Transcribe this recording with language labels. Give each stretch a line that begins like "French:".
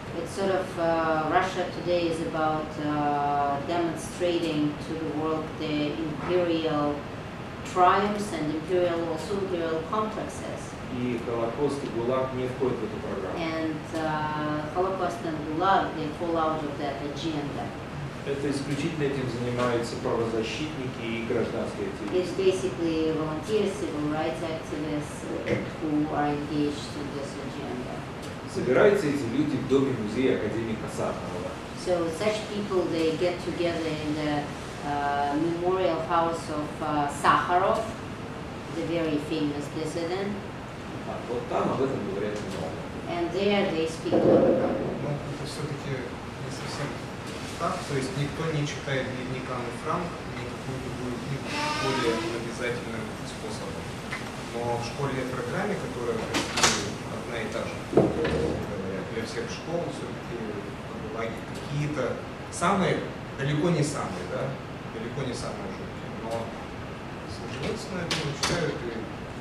English: It's sort of Russia today is about demonstrating to the world the imperial triumphs and imperial also imperial complexes.
Russian: И Холокост и ГУЛАГ не входят в эту программу.
English: And Holocaust and ГУЛАГ, they fall out of that agenda.
Russian: Это исключительно этим занимаются правозащитники и гражданские активисты.
English: It's basically volunteers, civil rights activists who are engaged in this agenda.
Russian: Собираются эти люди в доме музея академика Сахарова.
English: So such people they get together in the memorial house of Sakharov, the very famous dissident.
Russian: Вот там об этом говорят много.
English: And there they speak of.
Russian: Ну, это все-таки не совсем так. То есть никто не читает дневник Анны Франк, никакую другую книгу более обязательным способом. Но в школьной программе, которая одна и та же, для всех школ все-таки какие-то самые, далеко не самые, да, далеко не самые жуткие, но сложилось на это, читают и...